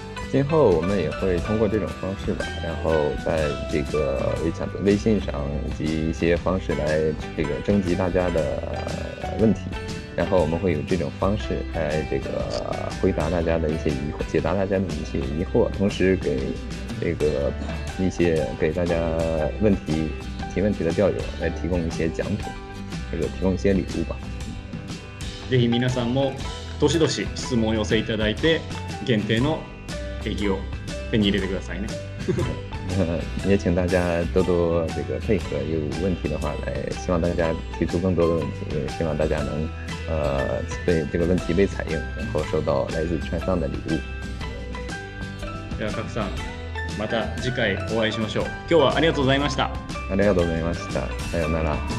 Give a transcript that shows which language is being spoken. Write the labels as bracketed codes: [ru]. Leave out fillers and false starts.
[zh] 今后我们也会通过这种方式吧，然后在这个微信的微信上以及一些方式来这个征集大家的问题。然后我们会有这种方式来这个回答大家的一些疑惑，解答大家的一些疑惑，同时给这个一些给大家问题提问题的钓友来提供一些奖品，或者提供一些礼物吧。 [ja] ぜひ皆さんもどしどし質問を寄せいただいて、限定のエギを手に入れてくださいね。 [zh] 也请大家多多这个配合，有问题的话来，希望大家提出更多的问题，也希望大家能被这个问题被采用，然后收到来自川上的礼物。 [ja] では賀来さん、また次回お会いしましょう。今日はありがとうございました。ありがとうございました。さようなら。